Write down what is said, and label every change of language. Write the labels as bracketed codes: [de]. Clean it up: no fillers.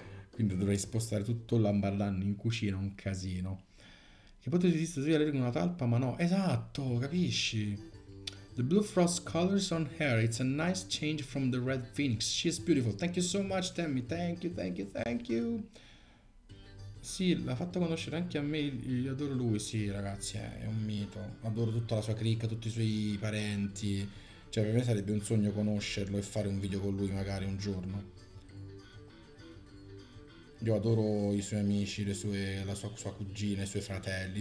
[it] Quindi dovrei spostare tutto l'ambaradan in cucina, un casino. Che poi ti disse di una talpa, ma no. Esatto, capisci? [en] The blue frost colors on hair. It's a nice change from the red phoenix. She is beautiful. Thank you so much, Tammy. Thank you, thank you, thank you. [it] Sì, l'ha fatto conoscere anche a me. Io adoro lui, sì, ragazzi. È un mito. Adoro tutta la sua cricca, tutti i suoi parenti. Cioè, per me sarebbe un sogno conoscerlo e fare un video con lui magari un giorno. Io adoro i suoi amici, le sue, la sua, sua cugina, i suoi fratelli.